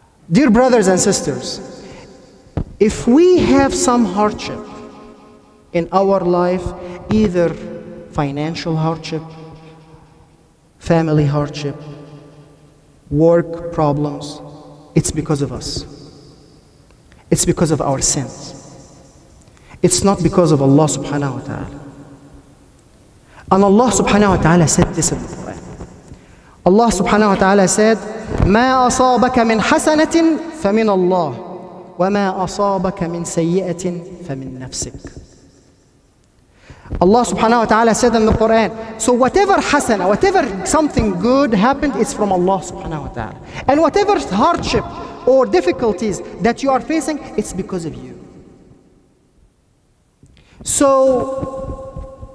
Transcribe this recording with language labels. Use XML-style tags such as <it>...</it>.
<en>Dear brothers and sisters, if we have some hardship in our life, either financial hardship, family hardship, work problems, it's because of us. It's because of our sins. It's not because of Allah subhanahu wa ta'ala. And Allah subhanahu wa ta'ala said this in the Quran.</en> <ar>Allah subhanahu wa ta'ala said, مَا أَصَابَكَ مِنْ حَسَنَةٍ فَمِنَ اللَّهِ وَمَا أَصَابَكَ مِنْ سَيِّئَةٍ فَمِنْ نَفْسِكَ.</ar> <en>Allah subhanahu wa ta'ala said in the Quran, so whatever hasana, whatever something good happened, it's from Allah subhanahu wa ta'ala. And whatever hardship or difficulties that you are facing, it's because of you. So</en>